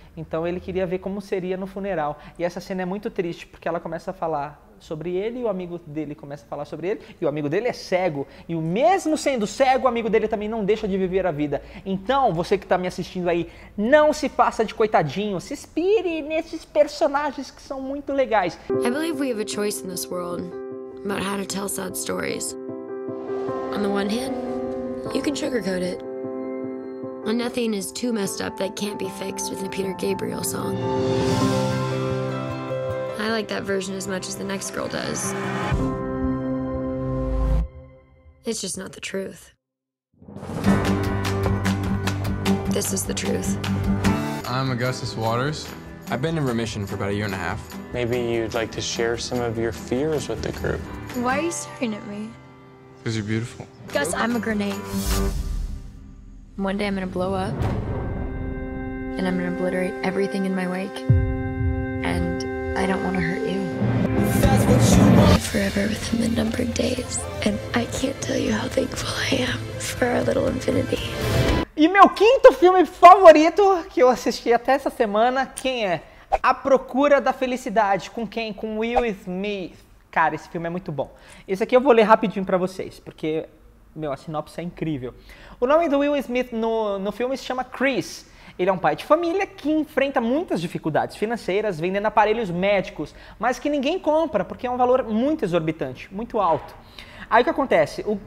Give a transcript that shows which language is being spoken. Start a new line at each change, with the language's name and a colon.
Portuguese: Então ele queria ver como seria no funeral. E essa cena é muito triste porque ela começa a falar sobre ele e o amigo dele começa a falar sobre ele e o amigo dele é cego. E o mesmo sendo cego, o amigo dele também não deixa de viver a vida. Então, você que tá me assistindo aí, não se faça de coitadinho. Se inspire nesses personagens que são muito legais.
English: I believe we have a choice in this world about how to tell sad stories. On the one hand, you can sugarcoat it. And nothing is too messed up that can't be fixed with the Peter Gabriel song. I like that version as much as the next girl does. It's just not the truth. This is the truth. I'm Augustus Waters. I've been in remission for about a year and a half. Maybe you'd like to share some of your fears with the group. Why are you staring at me? Because you're beautiful. Gus, I'm a grenade. One day I'm gonna blow up. And I'm gonna obliterate everything in my wake. And I don't want to hurt you. That's what you want. Forever within the number of days. And I can't tell you how thankful I am for our little infinity.
Portuguese: E meu quinto filme favorito que eu assisti até essa semana, quem é? A Procura da Felicidade, com quem? Com Will Smith. Cara, esse filme é muito bom. Esse aqui eu vou ler rapidinho pra vocês, porque, meu, a sinopse é incrível. O nome do Will Smith no filme se chama Chris. Ele é um pai de família que enfrenta muitas dificuldades financeiras vendendo aparelhos médicos, mas que ninguém compra, porque é um valor muito exorbitante, muito alto. Aí o que acontece?